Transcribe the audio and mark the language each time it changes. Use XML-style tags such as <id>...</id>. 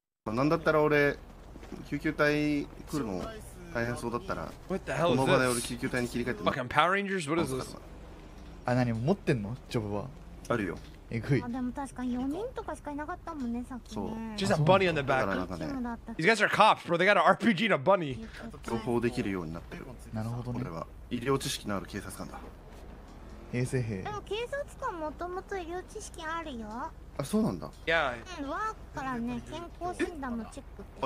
<ja>なんだったら俺救急隊来るの大変そうだったら、</ja> <en>What the hell is this?</en> <ja>俺救急隊に切り替えて。</ja> <en>Fucking Power Rangers, what is this?</en> <ja>あ、何持ってんの？ジョブは。あるよ。えぐい。あ、でも確かに4人とかしかいなかったもんね、さっきね。</ja> <en>She's a bunny on the back. These guys are cops, bro. They got an RPG and a bunny.</en> <ja>情報できるようになってる。なるほどね。俺は医療知識のある警察官だ。衛生兵。でも警察官もともと医療知識あるよ。あ、そうなんだ。いや、ワークからね、健康診断のチェックって</ja>